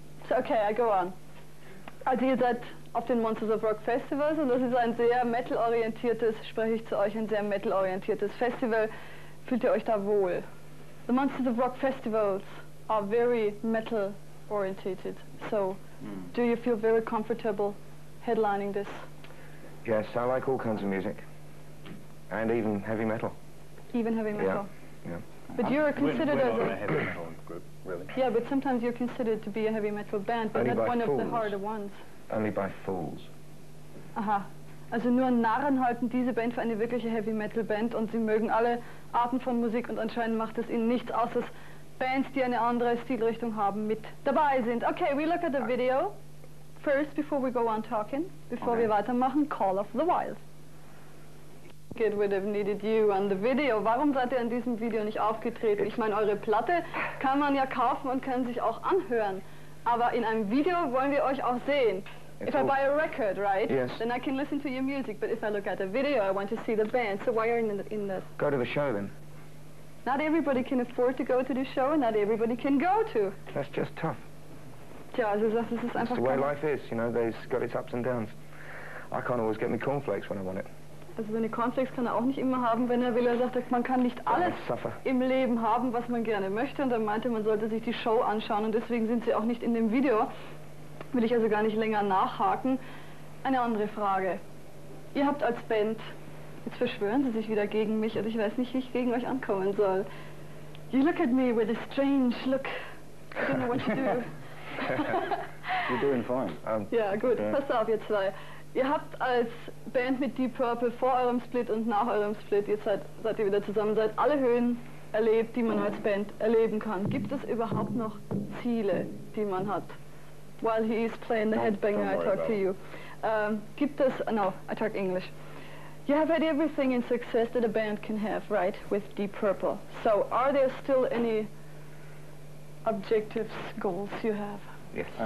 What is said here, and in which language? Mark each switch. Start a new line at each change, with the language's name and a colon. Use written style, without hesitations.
English: so okay, I go on.
German: Also ihr seid... auf den Monsters of Rock Festivals, und das ist ein sehr metal-orientiertes, spreche ich zu euch, ein sehr metal-orientiertes Festival. Fühlt ihr euch da wohl?
English: The Monsters of Rock Festivals are very metal-orientated, so do you feel very comfortable headlining this? Yes, I like all kinds of music, and even heavy metal. Even heavy metal? Yeah, yeah. But you're considered we're as not a heavy metal group, really. Yeah, but sometimes you're considered to be a heavy metal band, but only not one fools. Of the harder ones. Only by fools. Aha.
German: Also nur Narren halten diese Band für eine wirkliche Heavy-Metal-Band, und sie mögen alle Arten von Musik, und anscheinend macht es ihnen nichts aus, dass Bands, die eine andere Stilrichtung haben, mit dabei sind.
English: Okay, we look at the video first before we go on talking, before
German: wir weitermachen,
English: Call of the Wild. It would have needed you on the video.
German: Warum seid ihr in diesem Video nicht aufgetreten? Ich meine, eure Platte kann man ja kaufen und kann sich auch anhören. Aber in einem Video wollen wir euch auch sehen.
English: It's if I buy a record, right? Yes. Then I can listen to your music. But if I look at the video, I want to see the band. So why are you in the... Go to the show, then. Not everybody can afford to go to the show, and not everybody can go to. That's just tough.
German: Tja, also das ist einfach...
English: That's the way life is, you know, they've got its ups and downs. I can't always get me cornflakes when I want it.
German: Also seine Cornflakes kann er auch nicht immer haben, wenn er will. Er sagt, man kann nicht alles im Leben haben, was man gerne möchte. Und er meinte, man sollte sich die Show anschauen. Und deswegen sind sie auch nicht in dem Video. Will ich also gar nicht länger nachhaken. Eine andere Frage. Ihr habt als Band, jetzt verschwören sie sich wieder gegen mich, also ich weiß nicht, wie ich gegen euch ankommen soll.
English: You look at me with a strange look. I don't know what to do. You're doing fine.
German: Ja, gut. Okay. Passt auf, ihr zwei. Ihr habt als Band mit Deep Purple vor eurem Split und nach eurem Split, jetzt seid ihr wieder zusammen, seid alle Höhen erlebt, die man als Band erleben kann. Gibt es überhaupt noch Ziele, die man hat?
English: While he is playing the headbanger, I talk to you.
German: Gibt es,
English: no, I talk English. You have had everything in success that a band can have, right, with Deep Purple. So are there still any objectives, goals you have? Yes.